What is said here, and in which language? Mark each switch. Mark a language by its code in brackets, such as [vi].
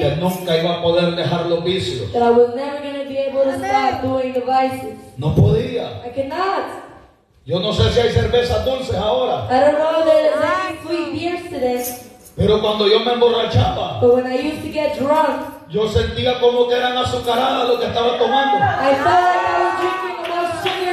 [es] que nunca iba a poder dejar los vicios. [en] That I was never going to be able to stop doing the vices. [es] No podía. [en] I cannot. [es] Yo no sé si hay cervezas dulces ahora. [en] I don't know if there's any sweet beers today. [es] Pero cuando yo me emborrachaba, [en] but when I used to get drunk, [es] yo sentía como que eran azucaradas lo que estaba tomando. [en] I felt like I was drinking about sugar.